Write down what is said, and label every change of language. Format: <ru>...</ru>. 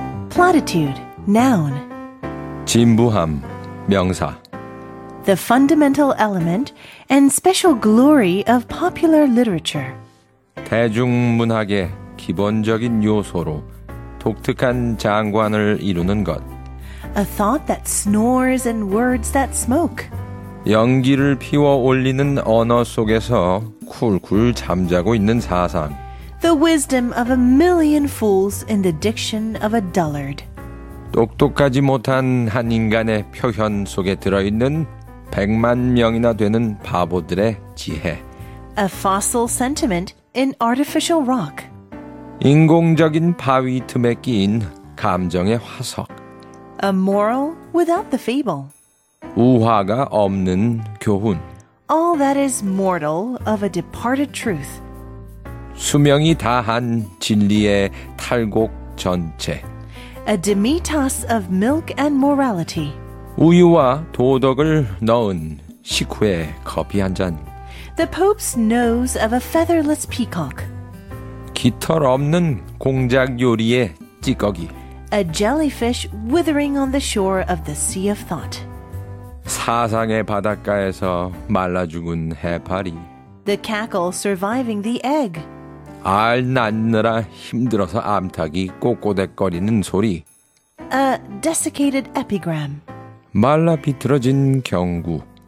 <en>platitude, noun.</en> <ko>진부함, 명사.</ko> <en>The fundamental element and special glory of popular literature.</en> <ko>대중문학의 기본적인 요소로 독특한 장관을 이루는 것.</ko> <en>A thought that snores and words that smoke.</en> <ko>연기를 피워 올리는 언어 속에서 쿨쿨 잠자고 있는 사상.</ko> <en>The wisdom of a million fools in the diction of a dullard.</en> <ko>똑똑하지 못한 한 인간의 표현 속에 들어있는 백만 명이나 되는 바보들의 지혜.</ko> <en>A fossil sentiment in artificial rock.</en> <ko>인공적인 바위 틈에 끼인 감정의 화석.</ko> <en>A moral without the fable.</en> <ko>우화가 없는 교훈.</ko> <en>All that is mortal of a departed truth.</en> <ko>수명이 다한 진리의 탈곡 전체.</ko> <en>A demitasse of milk and morality.</en> <ko>우유와 도덕을 넣은 식후의 커피 한 잔.</ko> <en>The Pope's nose of a featherless peacock.</en> <ko>깃털 없는 공작 요리의 찌꺼기.</ko> <en>A jellyfish withering on the shore of the sea of thought.</en> <ko>사상의 바닷가에서 말라 죽은 해파리.</ko> <en>The cackle surviving the egg.</en> <ko>알 낳느라 힘들어서 암탉이 꼬꼬댁거리는 소리.</ko> <en>A desiccated epigram.</en> <ko>말라 비틀어진 경구.</ko>